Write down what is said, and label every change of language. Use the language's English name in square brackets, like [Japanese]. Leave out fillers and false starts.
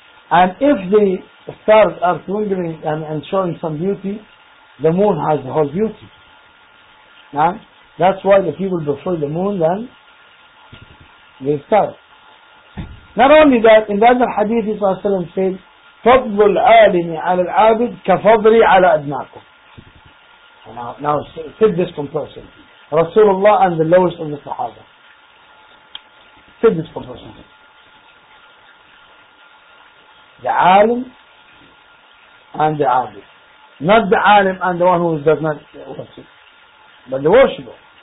[English] And if the stars are twinkling and showing some beauty, the moon has the whole beauty. Now, that's why the people prefer the moon than the stars. Not only that, in the other hadith, Prophet ﷺ said, [Arabic] فضل العالم على العابد كفضلي على أدناكم. [English] Now fit this comparison. رسول الله and the lowest of the صحابة. Fit this comparison. The عالم and the عابد. Not the عالم and the one who does not worship. But the worshiper.